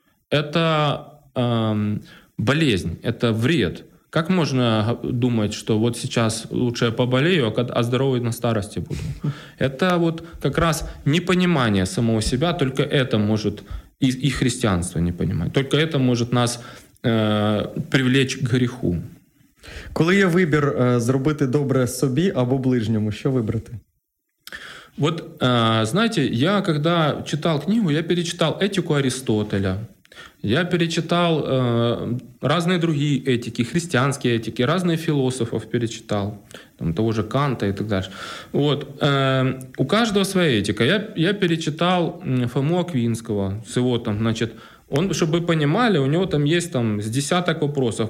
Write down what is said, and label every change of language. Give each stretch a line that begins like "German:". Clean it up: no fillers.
Russian: Это болезнь, это вред. Как можно думать, что вот сейчас лучше я поболею, а здоровый на старости буду? Это вот как раз непонимание самого себя. Только это может и христианство не понимать. Только это может нас... привлечь к
Ukrainian: гріху. Коли є вибір зробити добре собі або ближньому, що вибрати?
Russian: Вот, знаете, я когда читал книгу, я перечитал «Этику Аристотеля», я перечитал разные другие этики, христианские этики, разные философов перечитал, там, того же Канта и так дальше. Вот, у каждого своя этика. Я перечитал Фому Аквинского с его там, значит, он, чтобы вы понимали, у него там есть там с десяток вопросов.